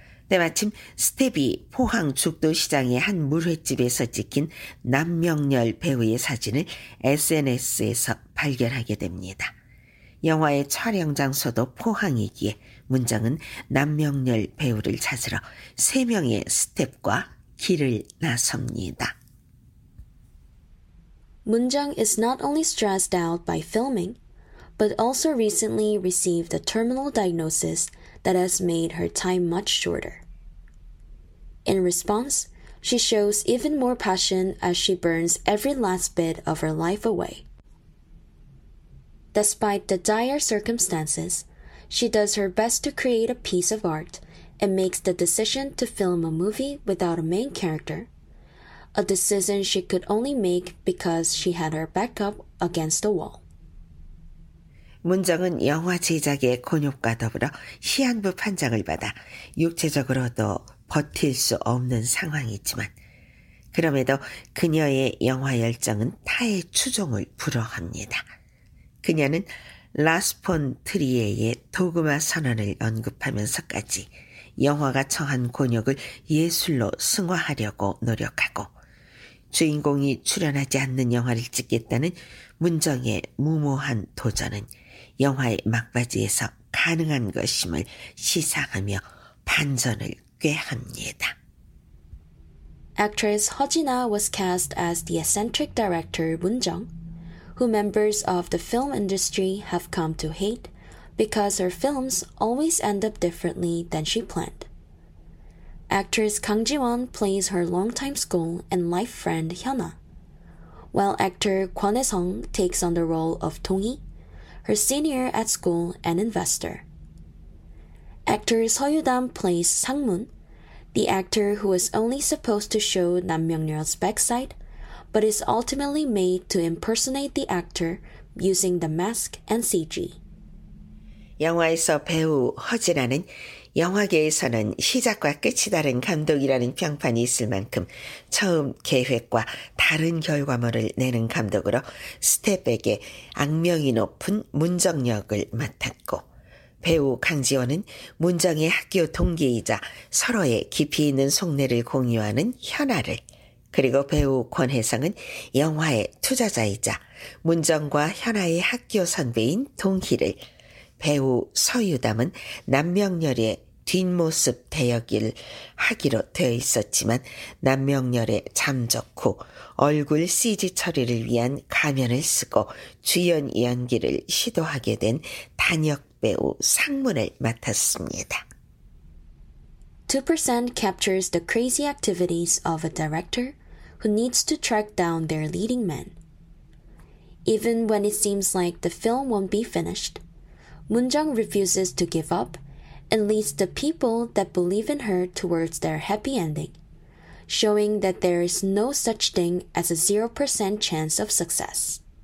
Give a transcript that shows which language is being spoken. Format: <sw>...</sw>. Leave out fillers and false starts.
<ko>때마침 스텝이 포항 죽도 시장의 한 물회집에서 찍힌 남명렬 배우의 사진을 SNS에서 발견하게 됩니다. 영화의 촬영 장소도 포항이기에 문정은 남명렬 배우를 찾으러 세 명의 스태프과 길을 나섭니다.</ko> <en>문정 is not only stressed out by filming, but also recently received a terminal diagnosis that has made her time much shorter. In response, she shows even more passion as she burns every last bit of her life away. Despite the dire circumstances, she does her best to create a piece of art and makes the decision to film a movie without a main character, a decision she could only make because she had her back up against the wall.</en> <ko>문정은 영화 제작의 곤욕과 더불어 시한부 판정을 받아 육체적으로도 버틸 수 없는 상황이지만 그럼에도 그녀의 영화 열정은 타의 추종을 불허합니다. 그녀는 라스폰 트리에의 도그마 선언을 언급하면서까지 영화가 처한 곤욕을 예술로 승화하려고 노력하고 주인공이 출연하지 않는 영화를 찍겠다는 문정의 무모한 도전은 영화의 막바지에서 가능한 것임을 시사하며 반전을 꾀합니다.</ko> <en>Actress Ho Jin-ah was cast as the eccentric director Moon Jung, who members of the film industry have come to hate because her films always end up differently than she planned. Actress Kang Ji-won plays her longtime school and life friend Hyun-ah, while actor Kwon Hae-sung takes on the role of Dong-hee, her senior at school and investor. Actor Seo Yu-dam plays Sang-moon, the actor who was only supposed to show Nam Myung-ryul's backside, but is ultimately made to impersonate the actor using the mask and CG.</en> <ko>영화에서 배우 허진아는 영화계에서는 시작과 끝이 다른 감독이라는 평판이 있을 만큼 처음 계획과 다른 결과물을 내는 감독으로 스태프에게 악명이 높은 문정 역을 맡았고 배우 강지원은 문정의 학교 동기이자 서로의 깊이 있는 속내를 공유하는 현아를 그리고 배우 권혜성은 영화의 투자자이자 문정과 현아의 학교 선배인 동희를 배우 서유담은 남명렬의 뒷모습 대역을 하기로 되어 있었지만 남명렬에 잠적 후 얼굴 CG 처리를 위한 가면을 쓰고 주연 연기를 시도하게 된 단역 배우 상문을 맡았습니다.</ko> <en>2% captures the crazy activities of a director who needs to track down their leading man. Even when it seems like the film won't be finished, Moon Jung refuses to give up and leads the people that believe in her towards their happy ending, showing that there is no such thing as a 0% chance of success.</en>